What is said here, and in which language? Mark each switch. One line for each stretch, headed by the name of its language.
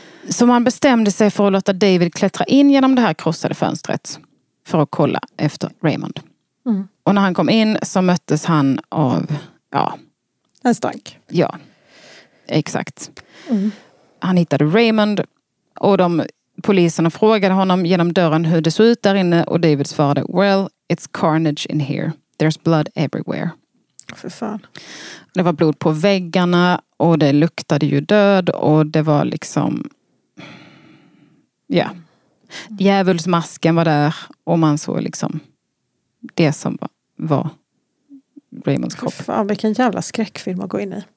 Swedish: Så man bestämde sig för att låta David klättra in genom det här krossade fönstret för att kolla efter Raymond. Mm. Och när han kom in så möttes han av, ja, en stank. Ja, exakt. Mm. Han hittade Raymond och de poliserna frågade honom genom dörren hur det såg ut där inne. Och David svarade,
English: well, it's carnage in here. There's blood everywhere.
Swedish: För fan. Det var blod på väggarna och det luktade ju död och det var liksom... Ja, djävulsmasken var där och man såg liksom det som var Raymonds kropp. Fan, vilken jävla skräckfilm att gå in i.